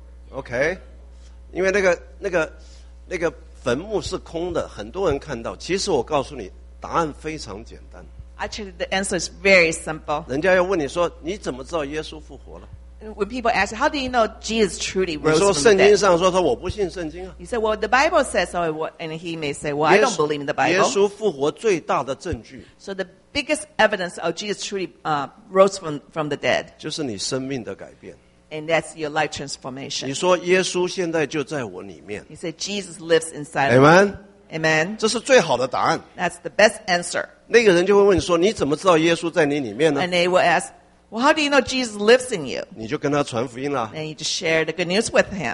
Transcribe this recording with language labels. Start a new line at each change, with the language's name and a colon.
Chinese: OK， 因为那个坟墓是空的，很多人看到。其实我告诉你，答案非常简单。
English: Actually, the answer is very simple.
Chinese: 人家要问你说，你怎么知道耶稣复活了
English: ？When people ask, how do you know Jesus truly rose?
Chinese: 你说圣经上说他，我不信圣经啊。
English: You say, well, the Bible says, or and he may say, well, I don't believe in the Bible.
Chinese: 耶稣复活最大的证据。
English: So the biggest evidence of Jesus truly rose from the dead.
Chinese: 就是你生命的改变。
English: And that's your life transformation.
Chinese: 你说耶稣现在就在我里面。
English: You say Jesus lives inside. Amen. Amen.
Chinese: 这是最好的答案。
English: That's the best answer.
Chinese: 那个人就会问你说，你怎么知道耶稣在你里面呢
English: ？And they will ask, well, how do you know Jesus lives in you?
Chinese: 你就跟他传福音了。
English: And you just share the good news with him.